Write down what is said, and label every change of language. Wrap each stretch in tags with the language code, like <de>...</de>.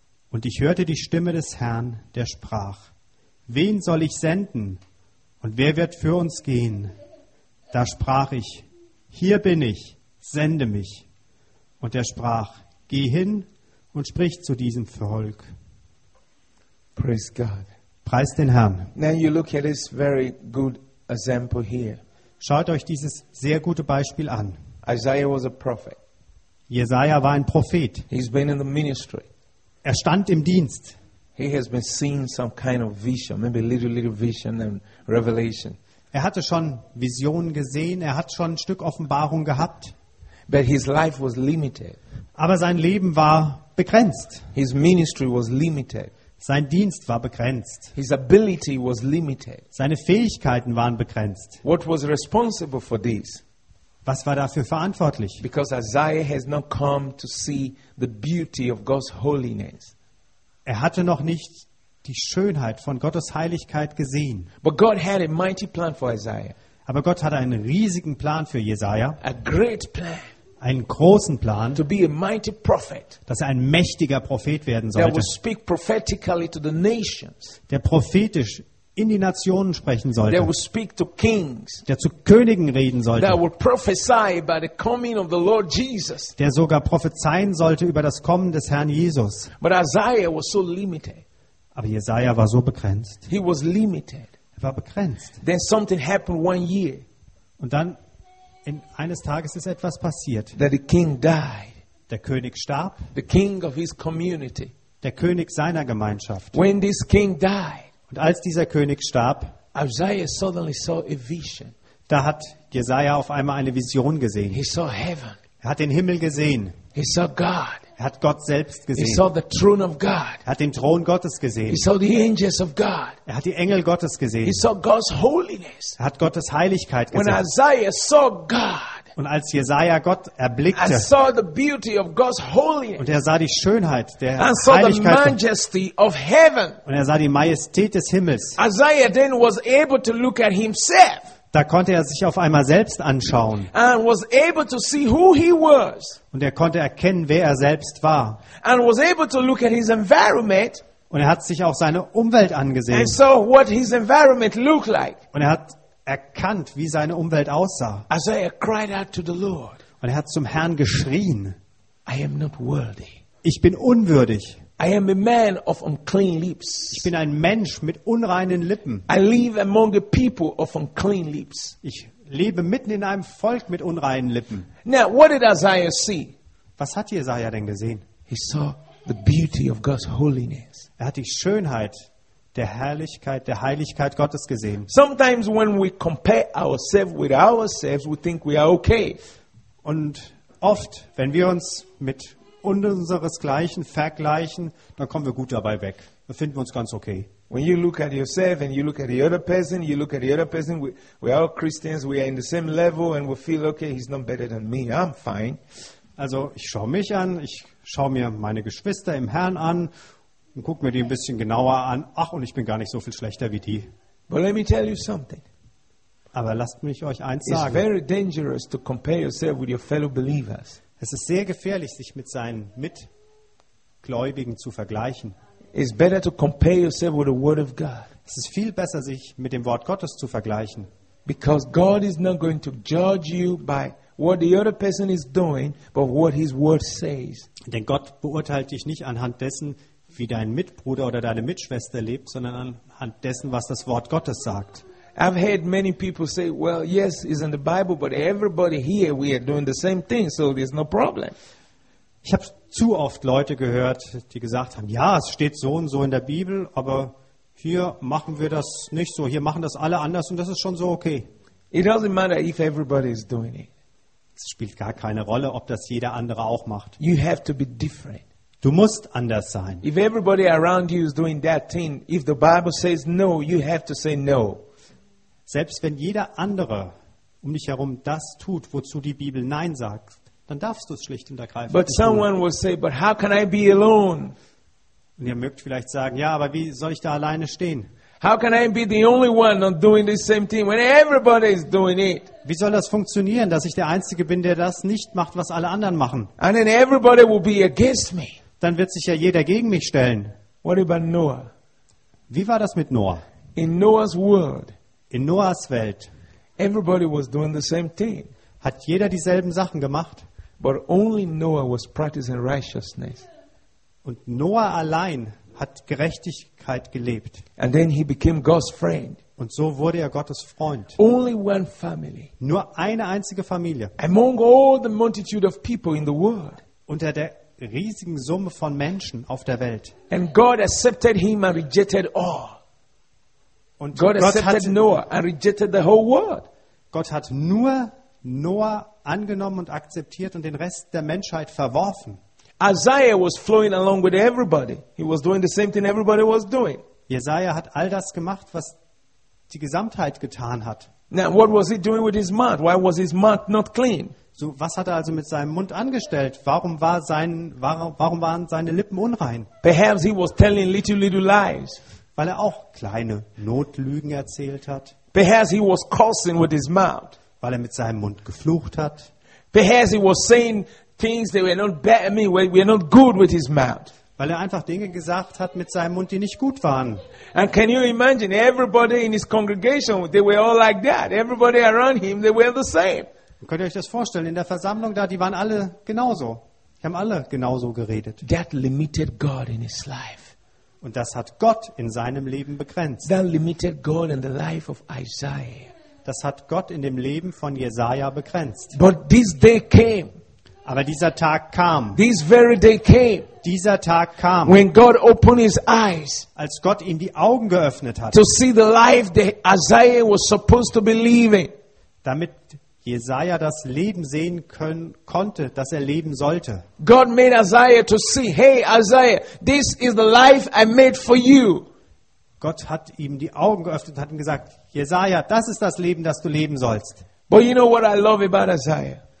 <de>Und ich hörte die Stimme des Herrn, der sprach: Wen soll ich senden und wer wird für uns gehen? Da sprach ich: Hier bin ich, sende mich. Und er sprach: Geh hin und sprich zu diesem Volk.</de> <en>Praise God.</en> <de>Preist den Herrn.</de> <en>Now you look at this very good example here.</en> <de>Schaut euch dieses sehr gute Beispiel an.</de> <en>Isaiah was a prophet.</en> <de>Jesaja war ein Prophet.</de> <en>He's been in the ministry.</en> <de>Er stand im Dienst.</de> <en>He has been seeing some kind of vision, maybe little vision and revelation.</en> <de>Er hatte schon Visionen gesehen, er hat schon ein Stück Offenbarung gehabt.</de> <en>But his life was limited.</en> <de>Aber sein Leben war begrenzt.</de> <en>His ministry was limited.</en> <de>Sein Dienst war begrenzt.</de> <en>His ability was limited.</en> <de>Seine Fähigkeiten waren begrenzt.</de> <en>What was responsible for this?</en> <de>Was war dafür verantwortlich?</de> <en>Because Isaiah has not come to see the beauty of God's holiness.</en> <de>Er hatte noch nicht die Schönheit von Gottes Heiligkeit gesehen.</de> <en>But God had a mighty plan for Isaiah.</en> <de>Aber Gott hatte einen riesigen Plan für Jesaja.</de> <en>A great plan.</en> <de>Einen großen Plan,</de> <en>to be a mighty prophet,</en> <de>dass er ein mächtiger Prophet werden sollte,</de> <en>that will speak prophetically to the nations,</en> <de>der prophetisch in die Nationen sprechen sollte,</de> <en>that will speak to kings,</en> <de>der zu Königen reden sollte,</de> <en>that will prophesy by the coming of the Lord Jesus,</en> <de>der sogar prophezeien sollte über das Kommen des Herrn Jesus.</de> <en>But Isaiah was so limited.</en> <de>Aber Jesaja war so begrenzt.</de> <en>He was limited.</en> <de>Er war begrenzt.</de> <en>Then something happened one year.</en> <de>Und dann eines Tages ist etwas passiert.</de> <en>That the king died.</en> <de>Der König starb.</de> <en>The king of his community.</en> <de>Der König seiner Gemeinschaft.</de> <en>When this king died.</en> <de>Und als dieser König starb,</de> <en>Isaiah suddenly saw a vision.</en> <de>Da hat Jesaja auf einmal eine Vision gesehen.</de> <en>He saw heaven.</en> <de>Er hat den Himmel gesehen.</de> <en>He saw God.</en> <de>Er hat Gott selbst gesehen.</de> <en>He saw the throne of God.</en> <de>Er hat den Thron Gottes gesehen.</de> <en>He saw the angels of God.</en> <de>Er hat die Engel Gottes gesehen.</de> <en>He saw God's holiness.</en> <de>Er hat Gottes Heiligkeit gesehen.</de> <en>When Isaiah saw God,</en> <de>und als Jesaja Gott erblickte,</de> <en>and saw the beauty of God's holiness,</en> <de>und er sah die Schönheit der</de> <en>and</en> <de>Heiligkeit,</de> <en>saw the majesty of heaven,</en> <de>und er sah die Majestät des Himmels,</de> <en>Isaiah then was able to look at himself.</en> <de>Da konnte er sich auf einmal selbst anschauen.</de> <en>And was able to see who he was.</en> <de>Und er konnte erkennen, wer er selbst war.</de> <en>And was able to look at his environment.</en> <de>Und er hat sich auch seine Umwelt angesehen.</de> <en>And so what his environment looked like.</en> <de>Und er hat erkannt, wie seine Umwelt aussah.</de> <en>Isaiah cried out to the Lord.</en> <de>Und er hat zum Herrn geschrien.</de> <en>I am not worthy.</en> <de>Ich bin unwürdig.</de> <en>I am a man of unclean lips.</en> <de>Ich bin ein Mensch mit unreinen Lippen.</de> <en>I live among a people of unclean lips.</en> <de>Ich lebe mitten in einem Volk mit unreinen Lippen.</de> <en>Now, what did Isaiah see?</en> <de>Was hat Jesaja denn gesehen?</de> <en>He saw the beauty of God's holiness.</en> <de>Er hat die Schönheit der Herrlichkeit, der Heiligkeit Gottes gesehen.</de> <en>Sometimes when we compare ourselves with ourselves, we think we are okay.</en> <de>Und oft, wenn wir uns mit unseresgleichen vergleichen, dann kommen wir gut dabei weg. Dann finden wir uns ganz okay.</de> <en>When you look at yourself and you look at the other person, you look at the other person, we are all Christians, we are in the same level and we feel okay, he's not better than me, I'm fine.</en> <de>Also ich schaue mich an, ich schaue mir meine Geschwister im Herrn an und gucke mir die ein bisschen genauer an. Ach, und ich bin gar nicht so viel schlechter wie die.</de> <en>But let me tell you something.</en> <de>Aber lasst mich euch eins sagen.</de> <en>It's very dangerous to compare yourself with your fellow believers.</en> <de>Es ist sehr gefährlich, sich mit seinen Mitgläubigen zu vergleichen.</de> <en>It's better to compare yourself with the word of God.</en> <de>Es ist viel besser, sich mit dem Wort Gottes zu vergleichen.</de> <en>Because God is not going to judge you by what the other person is doing, but what his word says.</en> <de>Denn Gott beurteilt dich nicht anhand dessen, wie dein Mitbruder oder deine Mitschwester lebt, sondern anhand dessen, was das Wort Gottes sagt.</de> <en>I've heard many people say, well, yes, it's in the Bible, but everybody here, we are doing the same thing, so there's no problem.</en> <de>Ich habe zu oft Leute gehört, die gesagt haben, ja, es steht so und so in der Bibel, aber hier machen wir das nicht so, hier machen das alle anders und das ist schon so okay.</de> <en>It doesn't matter if everybody is doing it.</en> <de>Es spielt gar keine Rolle, ob das jeder andere auch macht.</de> <en>You have to be different.</en> <de>Du musst anders sein.</de> <en>If everybody around you is doing that thing, if the Bible says no, you have to say no.</en> <de>Selbst wenn jeder andere um dich herum das tut, wozu die Bibel Nein sagt, dann darfst du es schlicht und ergreifend tun.</de> <en>But someone will say, but how can I be alone?</en> <de>Und ihr mögt vielleicht sagen, ja, aber wie soll ich da alleine stehen?</de> <en>How can I be the only one not doing the same thing when everybody is doing it?</en> <de>Wie soll das funktionieren, dass ich der Einzige bin, der das nicht macht, was alle anderen machen?</de> <en>And then everybody will be against me.</en> <de>Dann wird sich ja jeder gegen mich stellen.</de> <en>What about Noah?</en> <de>Wie war das mit Noah?</de> <en>In Noah's world.</en> <de>In Noahs Welt.</de> <en>Everybody was doing the same thing.</en> <de>Hat jeder dieselben Sachen gemacht.</de> <en>But only Noah was practicing righteousness.</en> <de>Und Noah allein hat Gerechtigkeit gelebt.</de> <en>And then he became God's friend.</en> <de>Und so wurde er Gottes Freund.</de> <en>Only one family.</en> <de>Nur eine einzige Familie.</de> <en>Among all the multitude of people in the world.</en> <de>Unter der riesigen Summe von Menschen auf der Welt.</de> <en>And God accepted him and rejected all.</en> <de>Und God</de> <en>accepted Noah and rejected the whole world.</en> <de>Gott hat nur Noah angenommen und akzeptiert und den Rest der Menschheit verworfen.</de> <en>Isaiah was flowing along with everybody. He was doing the same thing everybody was doing.</en> <de>Jesaja hat all das gemacht, was die Gesamtheit getan hat.</de> <en>Now, what was he doing with his mouth? Why was his mouth not clean?</en> <de>So, was hat er also mit seinem Mund angestellt? Warum waren seine Lippen unrein?</de> <en>Perhaps he was telling little lies.</en> <de>Weil er auch kleine Notlügen erzählt hat.</de> <en>Perhaps he was cursing with his mouth.</en> <de>Weil er mit seinem Mund geflucht hat.</de> <en>Perhaps he was saying things that were not bad at me, were not good with his mouth.</en> <de>Weil er einfach Dinge gesagt hat mit seinem Mund, die nicht gut waren.</de> <en>And can you imagine everybody in his congregation, they were all like that. Everybody around him, they were the same.</en> <de>Könnt ihr euch das vorstellen? In der Versammlung da, die waren alle genauso. Die haben alle genauso geredet.</de> <en>That limited God in his life.</en> <de>Und das hat Gott in seinem Leben begrenzt.</de> <en>That limited God in the life of Isaiah.</en> <de>Das hat Gott in dem Leben von Jesaja begrenzt.</de> <en>But this day came.</en> <de>Aber dieser Tag kam.</de> <en>This very day came.</en> <de>Dieser Tag kam.</de> <en>When God opened his eyes.</en> <de>Als Gott ihm die Augen geöffnet hat.</de> <en>To see the life that Isaiah was supposed to be living.</en> <de>Damit Jesaja das Leben sehen können konnte, das er leben sollte.</de> <en>God made Isaiah to see, hey Isaiah, this is the life I made for you.</en> <de>Gott hat ihm die Augen geöffnet und hat ihm gesagt, Jesaja, das ist das Leben, das du leben sollst.</de> <en>But you know what I love about Isaiah?</en>